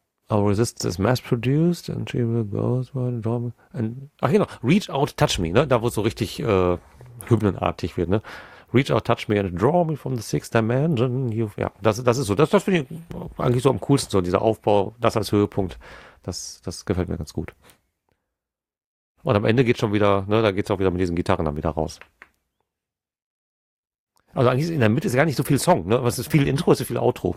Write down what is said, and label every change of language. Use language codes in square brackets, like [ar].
[en] Our resistance is mass produced and she will go by the drum. [de] Ach, genau. [en] Reach out, touch me, [de] ne? Da, wo es so richtig, hymnenartig wird, ne? [en] Reach out, touch me and draw me from the sixth dimension. [de] Das ist so. Das finde ich eigentlich so am coolsten, so dieser Aufbau, das als Höhepunkt. Das gefällt mir ganz gut. Und am Ende geht schon wieder, ne? Da geht es auch wieder mit diesen Gitarren dann wieder raus. Also eigentlich in der Mitte ist gar nicht so viel Song, ne? Was ist viel Intro, ist viel Outro.